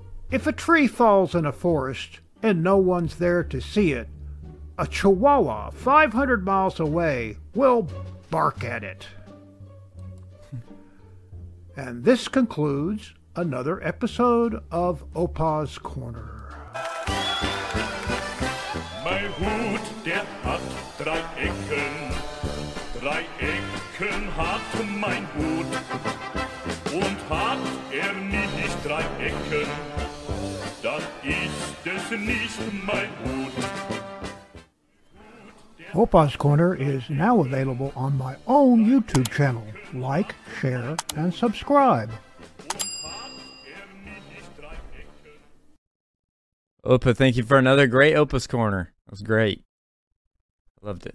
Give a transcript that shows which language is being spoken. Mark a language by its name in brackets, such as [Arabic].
[English] If a tree falls in a forest and no one's there to see it, a chihuahua 500 miles away will bark at it. And this concludes another episode of Opa's Corner. [German] Mein Hut, der hat drei Ecken. Drei Ecken hat mein Hut. Und hat nicht drei Ecken, dann ist es nicht mein Hut. [English] Opa's Corner is now available on my own YouTube channel. Like, share, and subscribe. Opa, thank you for another great Opa's Corner. That was great. I loved it.